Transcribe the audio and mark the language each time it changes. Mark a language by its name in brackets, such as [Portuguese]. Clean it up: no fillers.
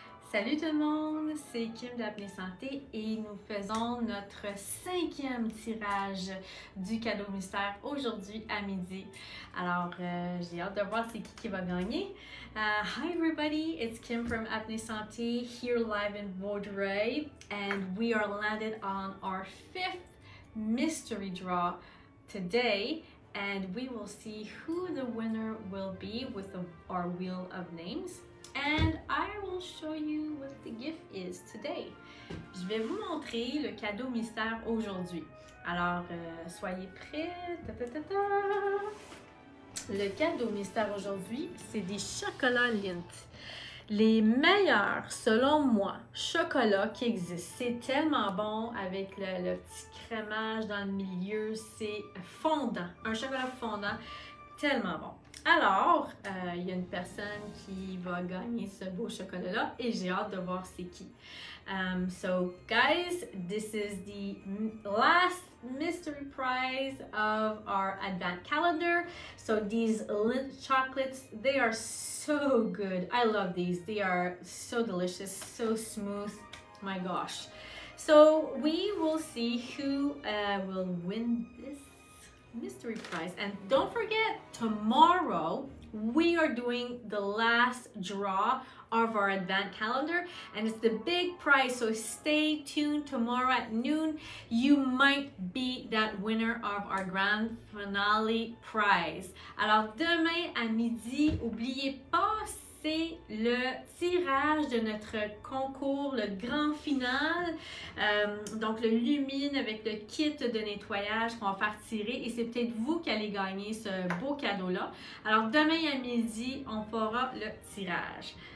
[French] Salut tout le monde, c'est Kim de la Pleine Santé et nous faisons notre cinquième tirage du cadeau mystère aujourd'hui à midi. Alors, j'ai hâte de voir c'est qui va gagner. [English] Hi everybody, it's Kim from Apnée Santé here live in Vaudreuil and we are landed on our fifth mystery draw today and we will see who the winner will be with our wheel of names. And I will show you what the gift is today. [French] Je vais vous montrer le cadeau mystère aujourd'hui. Alors, soyez prêts. Ta-ta-ta-ta. Le cadeau mystère aujourd'hui, c'est des chocolats Lindt. Les meilleurs, selon moi, chocolats qui existent. C'est tellement bon avec le petit crémage dans le milieu. C'est fondant. Un chocolat fondant, tellement bon. Alors, il y a une personne qui va gagner ce beau chocolat-là et j'ai hâte de voir c'est qui. [English] So, guys, this is the last mystery prize of our advent calendar. So, these Lindt chocolates, they are so good. I love these. They are so delicious, so smooth. My gosh. So, we will see who will win this mystery prize. And don't forget, tomorrow we are doing the last draw of our advent calendar and it's the big prize, so stay tuned. Tomorrow at noon you might be that winner of our grand finale prize. [French] Alors demain à midi, oubliez pas, c'est le tirage de notre concours, le grand final. Donc, le Lumine avec le kit de nettoyage qu'on va faire tirer. Et c'est peut-être vous qui allez gagner ce beau cadeau-là. Alors, demain à midi, on fera le tirage.